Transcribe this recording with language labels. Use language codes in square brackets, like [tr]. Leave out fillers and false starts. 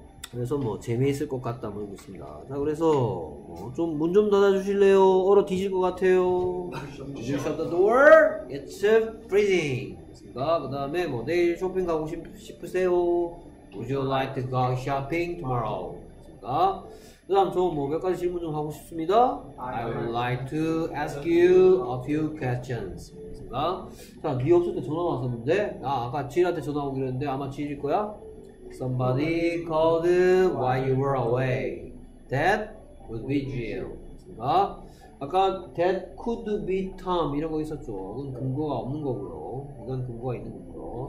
[ko] 그래서 뭐 재미있을 것 같다 뭐 있습니다. 자, 그래서 뭐 좀 문 좀 닫아주실래요? 얼어 뒤질 것 같아요. [en] Shut the door. It's freezing. [ko] 그러니까 그 다음에 뭐 내일 쇼핑 가고 싶으세요? [en] Would you like to go shopping tomorrow? [ko] 그 다음 저 뭐 몇 가지 질문 좀 하고 싶습니다. [en] I would like to ask you a few questions. [ko] 자, 니 없을 때 전화 왔었는데 아, 아까 질한테 전화 오기로 했는데 아마 질일 거야? [en] Somebody called while you were away. That would be Jill. [ko] 아까 [en] that could be Tom [ko] 이런 거 있었죠. 이건 근거가 없는 거고요. 이건 근거가 있는 거고요.